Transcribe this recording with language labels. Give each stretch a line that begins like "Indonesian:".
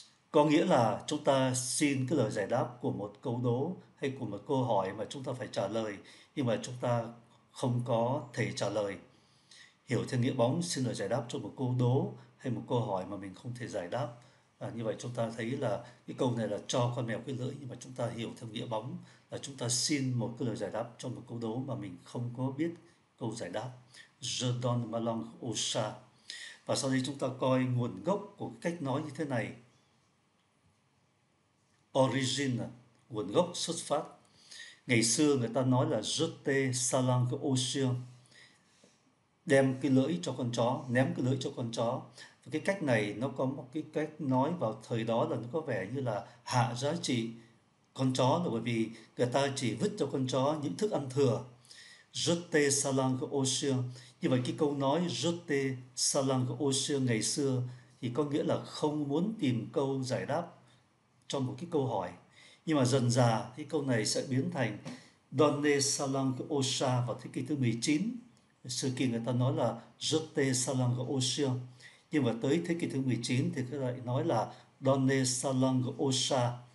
Vietnamese: Có nghĩa là chúng ta xin cái lời giải đáp của một câu đố hay của một câu hỏi mà chúng ta phải trả lời nhưng mà chúng ta không có thể trả lời. Hiểu theo nghĩa bóng, xin lời giải đáp cho một câu đố hay một câu hỏi mà mình không thể giải đáp. Như vậy chúng ta thấy là cái câu này là cho con mèo cái lưỡi, nhưng mà chúng ta hiểu theo nghĩa bóng là chúng ta xin một cái lời giải đáp cho một câu đố mà mình không có biết câu giải đáp.
French: Je donne ma langue au chat.
Vietnamese: Và sau đây chúng ta coi nguồn gốc của cách nói như thế này. Origin, nguồn gốc xuất phát. Ngày xưa người ta nói là
French: jeter sa langue au chien,
Vietnamese: đem cái lưỡi cho con chó, ném cái lưỡi cho con chó. Và cái cách này nó có một cái cách nói vào thời đó là nó có vẻ như là hạ giá trị con chó, là bởi vì người ta chỉ vứt cho con chó những thức ăn thừa.
French: Jeter sa langue au chien.
Vietnamese: Như vậy cái câu nói
French: jeter sa langue au chien
Vietnamese: ngày xưa thì có nghĩa là không muốn tìm câu giải đáp cho một cái câu hỏi. Nhưng mà dần dà thì câu này sẽ biến thành
French: Donne sa langue au chat
Vietnamese: vào thế kỷ thứ 19. Sự kiện người ta nói là
French: Jete sa langue au chien.
Vietnamese: Nhưng mà tới thế kỷ thứ 19 thì người ta lại nói là
French: Donne sa langue au chat.